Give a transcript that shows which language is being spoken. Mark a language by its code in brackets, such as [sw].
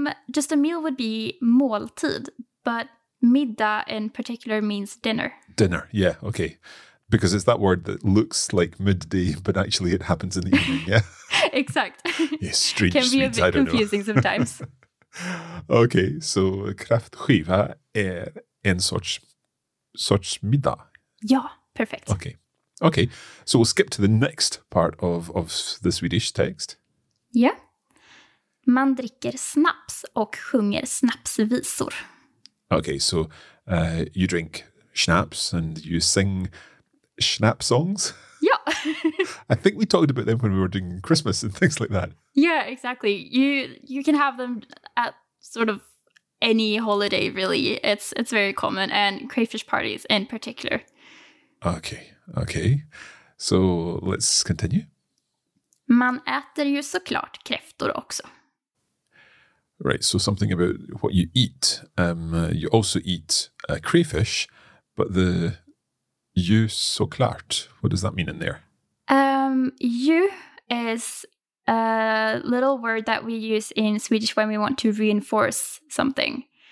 [en] Just a meal would be måltid, but middag in particular means dinner. Dinner, yeah, okay. Because it's that word that looks like midday, but actually it happens in the evening, yeah? [sv] Exakt. [en] Yeah, strange. Can be sweets, a bit confusing sometimes. Okay, so [sv] kräftskiva är en sorts middag. [en] Ja, perfect. Okay. Okay, so we'll skip to the next part of the Swedish text. Yeah. [sv] Man dricker snaps och sjunger snapsvisor. [en] Okay, so you drink schnapps and you sing schnapps songs? Yeah. I think we talked about them when we were doing Christmas and things like that. Yeah, exactly. You can have them at sort of any holiday, really. It's very common, and crayfish parties in particular. Okay. So let's continue. [sv] Man äter ju såklart kräftor också. [en] Right, so something about what you eat. You also eat crayfish, but the ju såklart, what does that mean in there? Ju is a little word that we use in Swedish when we want to reinforce something.